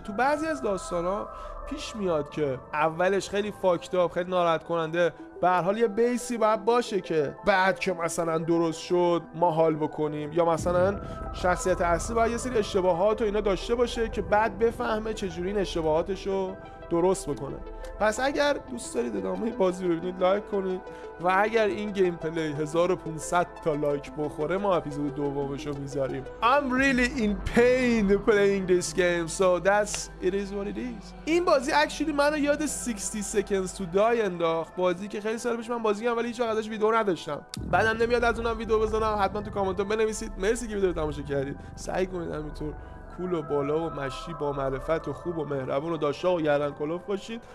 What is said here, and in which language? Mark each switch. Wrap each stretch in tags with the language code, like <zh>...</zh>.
<fa>تو بعضی از داستان‌ها پیش میاد که اولش خیلی فاکتاب، خیلی ناراحت کننده، به هر حال یه بیسی باید باشه که بعد که مثلا درست شد ما حال بکنیم، یا مثلا شخصیت اصلی باید یه سری اشتباهات و اینا داشته باشه که بعد بفهمه چجوری این اشتباهاتشو درست بکنه. پس اگر دوست دارید ادامه بازی رو ببینید لایک کنید و اگر این گیم پلی 1500 تا لایک بخوره ما اپیزود دومشو میذاریم.</fa> <en>I'm really in pain playing this game, so it is what it is.</en> <fa>این بازی اکچولی منو یاد 60 seconds to die انداخت، بازی که خیلی سال پیش من بازی کردم ولی هیچ وقت ازش ویدیو نداشتم. بعدم نمیاد از اونم ویدیو بزنم، حتما تو کامنت ها بنویسید. مرسی که ویدیو تماشا کردید. سعی کنید همینطور کول و بالا و مشی با معرفت و خوب و مهربون و داشته و گردن کلوف باشید.</fa>